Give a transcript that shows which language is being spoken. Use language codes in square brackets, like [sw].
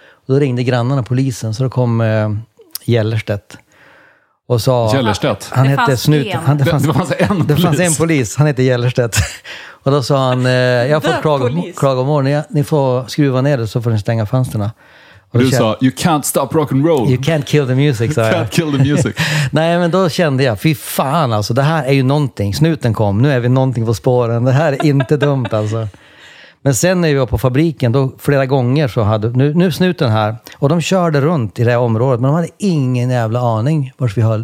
[sv] Och då ringde grannarna polisen, så då kom Gällerstedt. Och sa... Gällerstedt? Han hette Snut. Det fanns en polis. Han hette Gällerstedt. Och då sa han, jag får klagomål, ni får skruva ner det så får ni stänga fönsterna. Och du sa, [en] you can't stop rock and roll. You can't kill the music, [sv] sa jag. [en] You can't kill the music. [sv] Nej, men då kände jag, fy fan alltså, det här är ju någonting. Snuten kom, nu är vi någonting på spåren. Det här är inte dumt alltså. Men sen när vi var på fabriken, då flera gånger så hade, nu snuten här. Och de körde runt i det här området, men de hade ingen jävla aning vars vi höll.